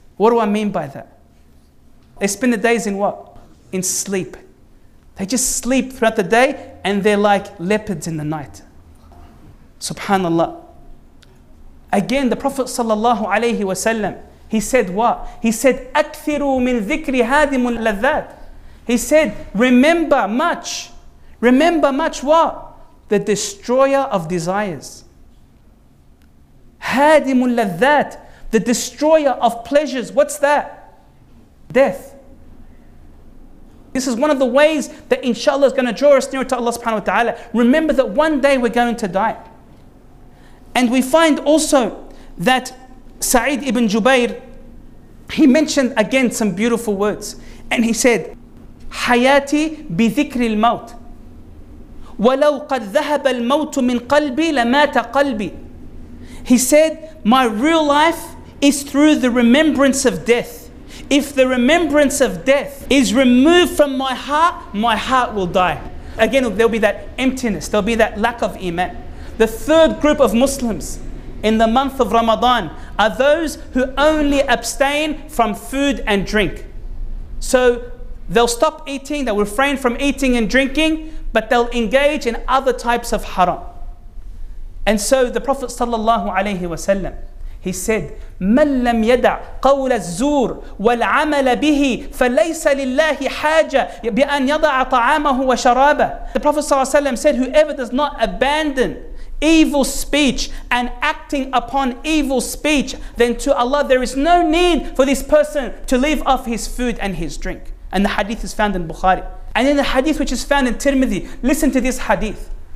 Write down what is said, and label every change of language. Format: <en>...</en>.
<en>What do I mean by that? They spend the days in what? In sleep. They just sleep throughout the day and they're like leopards in the night. SubhanAllah. Again, the Prophet sallallahu alayhi wa sallam, he said what? He said,</en> <ar>أَكْثِرُوا مِن ذِكْرِ هَادِمُ اللَّذَّاتِ.</ar> <en>He said, remember much. Remember much what? The destroyer of desires.</en> <ar>هَادِمُ اللَّذَّاتِ.</ar> <en>The destroyer of pleasures. What's that? Death. This is one of the ways that inshallah is going to draw us nearer to Allah subhanahu wa ta'ala. Remember that one day we're going to die. And we find also that Sa'id ibn Jubayr, he mentioned again some beautiful words. And he said,</en> <ar>حياتي بذكر الموت ولو قد ذهب الموت من قلبي لمات قلبي.</ar> <en>He said, my real life is through the remembrance of death. If the remembrance of death is removed from my heart will die. Again, there'll be that emptiness, there'll be that lack of iman. The third group of Muslims in the month of Ramadan are those who only abstain from food and drink. So they'll stop eating, they'll refrain from eating and drinking, but they'll engage in other types of haram. And so the Prophet sallallahu alaihi wasallam, he said,</en> <ar>مَنْ لَمْ يَدَعْ قَوْلَ الزُّورِ وَالْعَمَلَ بِهِ فَلَيْسَ لِلَّهِ حَاجَةٌ بِأَنْ يَضَعَ طَعَامَهُ وَشَرَابَهُ.</ar> <en>The Prophet sallallahu alaihi wasallam said, whoever does not abandon evil speech and acting upon evil speech, then to Allah there is no need for this person to leave off his food and his drink. And the hadith is found in Bukhari. And in the hadith which is found in Tirmidhi, listen to this hadith.</en>